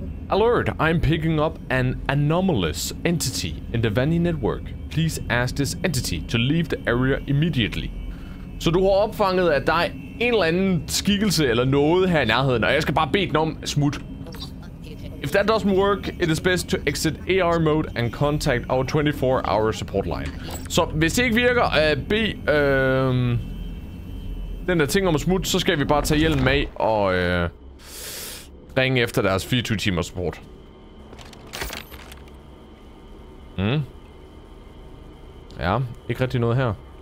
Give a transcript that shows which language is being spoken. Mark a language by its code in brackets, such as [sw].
[en] Alert, I'm picking up an anomalous entity in the Vanny network. Please ask this entity to leave the area immediately. [da] Så du har opfanget, at der er en eller anden skikkelse eller noget her i nærheden, og jeg skal bare bede den om smut. [en] If that doesn't work, it is best to exit AR mode and contact our 24-hour support line. [da] Så hvis det ikke virker at bede den der ting om smut, så skal vi bare tage hjelmen med og ringe efter deres 24 timer support. Mm. Ja, ikke rigtig noget her.